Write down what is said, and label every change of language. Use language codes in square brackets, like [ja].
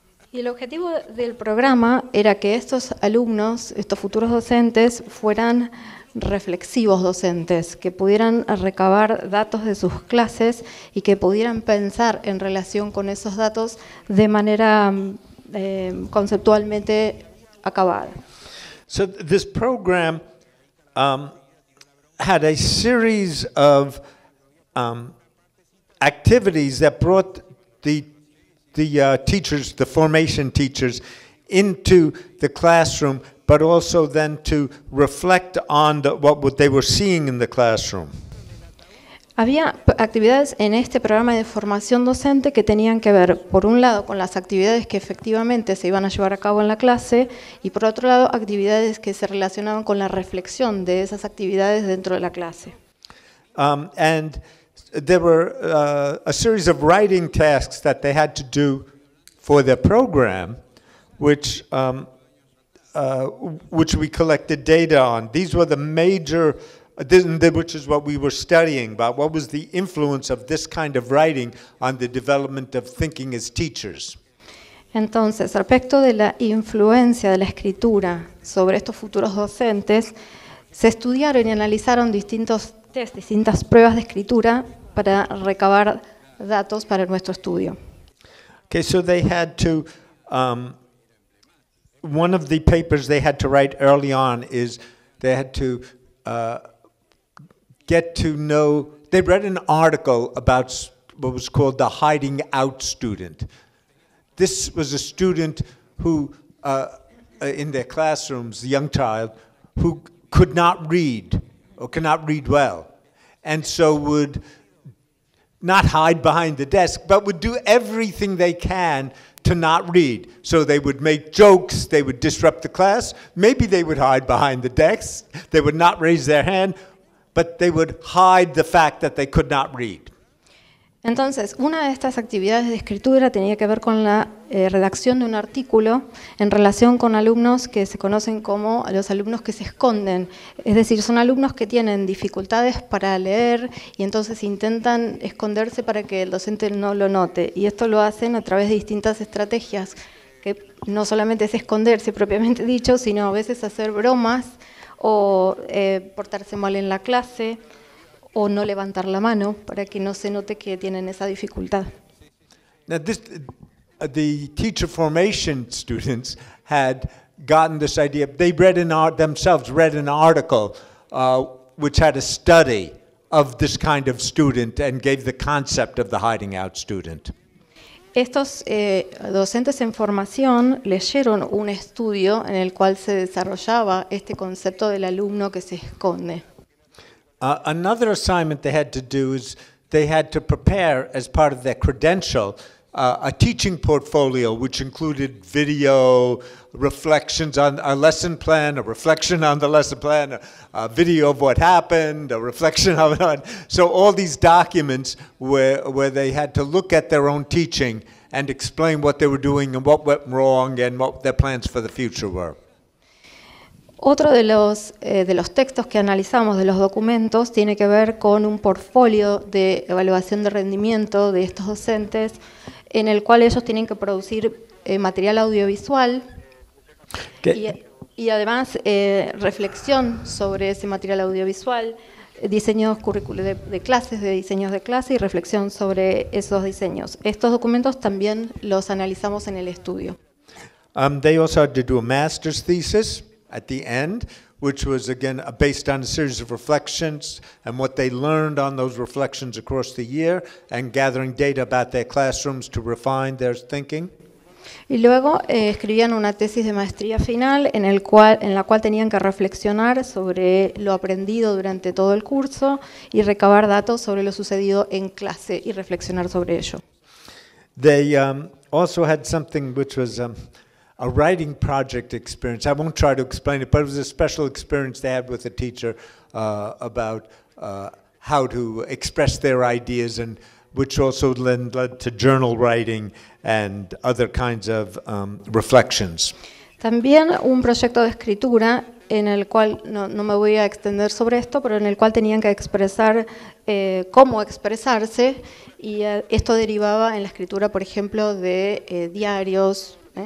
[es] Y el objetivo del programa era que estos alumnos, estos futuros docentes, fueran reflexivos docentes, que pudieran recabar datos de sus clases y que pudieran pensar en relación con esos datos de manera conceptualmente acabada. [en] So this program had a series of activities that brought the teachers, the formation teachers, into the classroom, but also then to reflect on what they were seeing in the classroom. [es] Había actividades en este programa de formación docente que tenían que ver, por un lado, con las actividades que efectivamente se iban a llevar a cabo en la clase, y por otro lado, actividades que se relacionaban con la reflexión de esas actividades dentro de la clase. [en] And there were a series of writing tasks that they had to do for their program, which we collected data on. These were the major. Which is what we were studying about. What was the influence of this kind of writing on the development of thinking as teachers? [es] Entonces, respecto de la influencia de la escritura sobre estos futuros docentes, se estudiaron y analizaron distintos test, distintas pruebas de escritura para recabar datos para nuestro estudio. [en] Okay, so they had to. One of the papers they had to write early on is they had to. They read an article about what was called the hiding out student. This was a student who, in their classrooms, the young child, who could not read or could not read well, and so would not hide behind the desk, but would do everything they can to to not read. So they would make jokes, they would disrupt the class, maybe they would hide behind the desks, they would not raise their hand, but they would hide the fact that they could not read. [es] Entonces, una de estas actividades de escritura tenía que ver con la redacción de un artículo en relación con alumnos que se conocen como los alumnos que se esconden. Es decir, son alumnos que tienen dificultades para leer y entonces intentan esconderse para que el docente no lo note. Y esto lo hacen a través de distintas estrategias, que no solamente es esconderse propiamente dicho, sino a veces hacer bromas o portarse mal en la clase, o no levantar la mano para que no se note que tienen esa dificultad. [en] Now this, the teacher formation students had gotten this idea. They read an article which had a study of this kind of student and gave the concept of the hiding out student. [es] Estos docentes en formación leyeron un estudio en el cual se desarrollaba este concepto del alumno que se esconde. [en] Another assignment they had to do is they had to prepare, as part of their credential, a teaching portfolio which included video, reflections on a lesson plan, a reflection on the lesson plan, a video of what happened, a reflection of it on. So all these documents where they had to look at their own teaching and explain what they were doing and what went wrong and what their plans for the future were. [es] Otro de los textos que analizamos, de los documentos, tiene que ver con un portfolio de evaluación de rendimiento de estos docentes, en el cual ellos tienen que producir material audiovisual y además reflexión sobre ese material audiovisual, diseños currículos de clases, de diseños de clase y reflexión sobre esos diseños. Estos documentos también los analizamos en el estudio. [en] They also had to do a master's thesis at the end, which was again based on a series of reflections and what they learned on those reflections across the year and gathering data about their classrooms to refine their thinking. [es] Y luego escribían una tesis de maestría final en la cual tenían que reflexionar sobre lo aprendido durante todo el curso y recabar datos sobre lo sucedido en clase y reflexionar sobre ello. [en] They also had something which was a writing project experience. I won't try to explain it, but it was a special experience they had with a teacher about how to express their ideas, and which also led to journal writing and other kinds of reflections. [es] También un proyecto de escritura en el cual, no me voy a extender sobre esto, pero en el cual tenían que expresar cómo expresarse, y esto derivaba en la escritura, por ejemplo, de diarios.